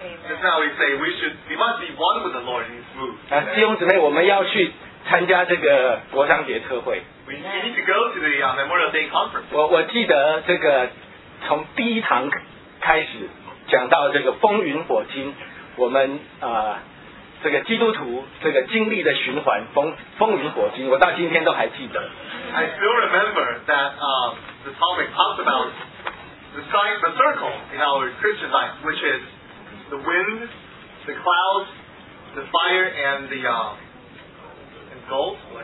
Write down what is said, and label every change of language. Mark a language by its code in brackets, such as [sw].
[en] Just now we say we should, we must be one with the Lord in His move. [zh] 弟兄姊妹，我们要去参加这个国殇节特会。 [en] We need to go to the Memorial Day conference. [zh] 我记得这个从第一堂开始讲到这个风云火金，我们这个基督徒这个经历的循环，风雨火星，我到今天都还记得。 [en] I still remember that the topic talks about the circle in our Christian life, which is the wind, the clouds, the fire, and the and gold.